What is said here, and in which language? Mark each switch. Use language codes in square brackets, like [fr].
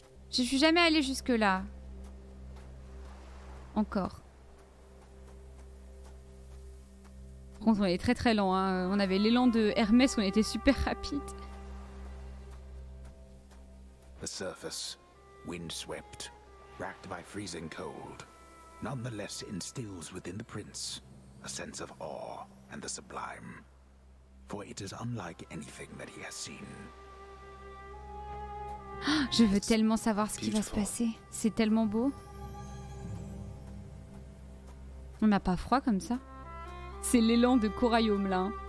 [fr] Je suis jamais allée jusque là. Encore. Par contre, on est très très lent. Hein. On avait l'élan de Hermès, on était super rapide. [en] The surface, windswept, racked by freezing cold, nonetheless instills within the prince. A sense of awe and the sublime, for it is unlike anything that he has seen. [fr] Je veux tellement savoir ce qui va se passer. C'est tellement beau. On n'a pas froid comme ça. C'est l'élan de Corayum là.